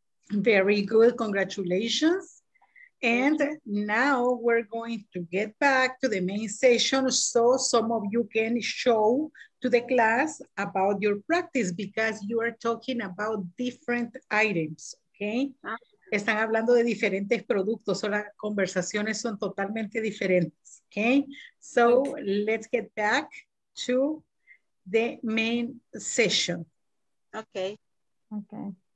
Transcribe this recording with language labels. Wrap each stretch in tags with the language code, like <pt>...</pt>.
<en>Very good, congratulations. And now we're going to get back to the main session so some of you can show to the class about your practice because you are talking about different items, okay?</en> <es>Están hablando de diferentes productos o las conversaciones son totalmente diferentes, okay?</es> <en>So let's get back to the main session. Okay. Okay.</en>